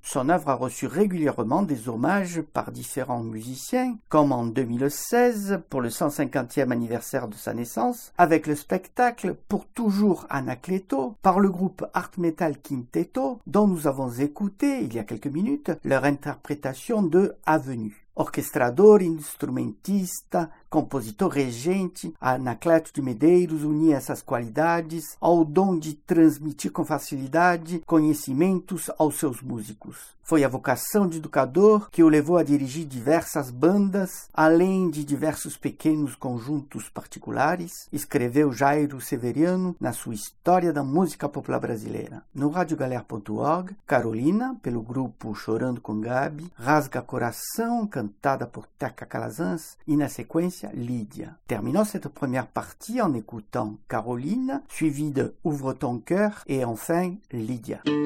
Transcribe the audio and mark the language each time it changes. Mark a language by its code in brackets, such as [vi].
[fr] Son œuvre a reçu régulièrement des hommages par différents musiciens comme en 2016 pour le 150e anniversaire de sa naissance avec le spectacle « Pour toujours Anacleto » par le groupe Art Metal Quinteto dont nous avons écouté il y a quelques minutes leur interprétation de Avenue. [pt] Orchestrador, instrumentista, compositor regente, Anacleto de Medeiros unia essas qualidades ao dom de transmitir com facilidade conhecimentos aos seus músicos. Foi a vocação de educador que o levou a dirigir diversas bandas, além de diversos pequenos conjuntos particulares, escreveu Jairo Severiano na sua História da Música Popular Brasileira. No radiogaler.org, Carolina, pelo grupo Chorando com Gabi, Rasga Coração, cantada por Teca Calazans, e na sequência, Lídia. [fr] Terminons cette première partie en écoutant Caroline, suivie de Ouvre ton cœur et enfin Lídia.